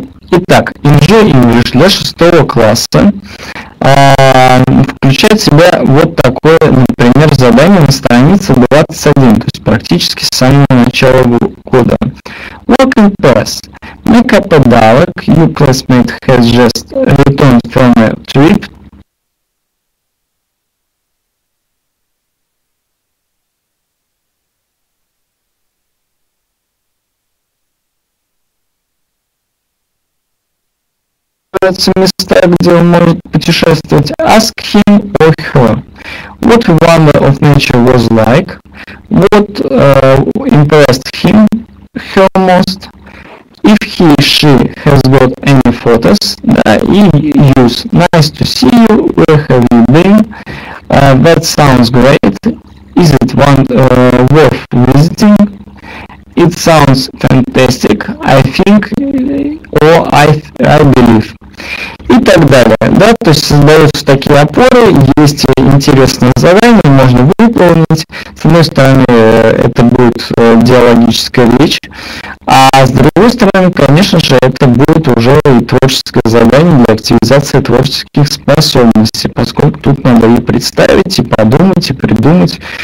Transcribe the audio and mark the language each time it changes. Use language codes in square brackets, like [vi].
[ru] Итак, enjoyenglish для 6 класса включает в себя вот такое, например, задание на странице 21, то есть практически с самого начала года. [en] Work in progress. Make up a dialogue. Your classmate has just returned from a trip. [ru] Места, где он может путешествовать. [en] Ask him or her. What wonder of nature was like? What impressed him, her most? If he, she has got any photos, [ru] да, и [en] use nice to see you, where have you been? That sounds great. Is it worth visiting? It sounds fantastic, I think, or I believe. [ru] И так далее, да, то есть создаются такие опоры, есть интересные задания, можно выполнить. С одной стороны, это будет диалогическая речь, а с другой стороны, конечно же, это будет уже и творческое задание для активизации творческих способностей, поскольку тут надо и представить, и подумать, и придумать.